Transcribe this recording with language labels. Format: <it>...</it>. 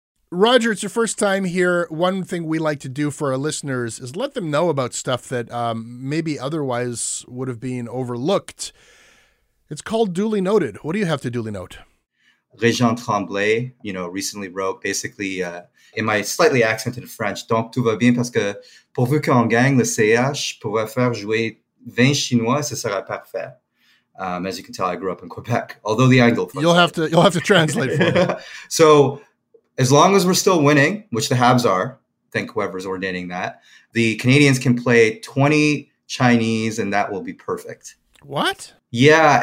<en>Roger, it's your first time here. One thing we like to do for our listeners is let them know about stuff that maybe otherwise would have been overlooked. It's called Duly Noted. What do you have to duly note? Régent Tremblay, you know, recently wrote basically in my slightly accented French,</en> <fr>donc tout va bien parce que pourvu qu'on gagne, le CH pourrait faire jouer 20 Chinois, ce sera parfait.</fr> <en>As you can tell, I grew up in Quebec, although the angle. You'll have to translate for me. So as long as we're still winning, which the Habs are, thank whoever's ordaining that. The Canadians can play 20 Chinese and that will be perfect. What? Yeah.</en>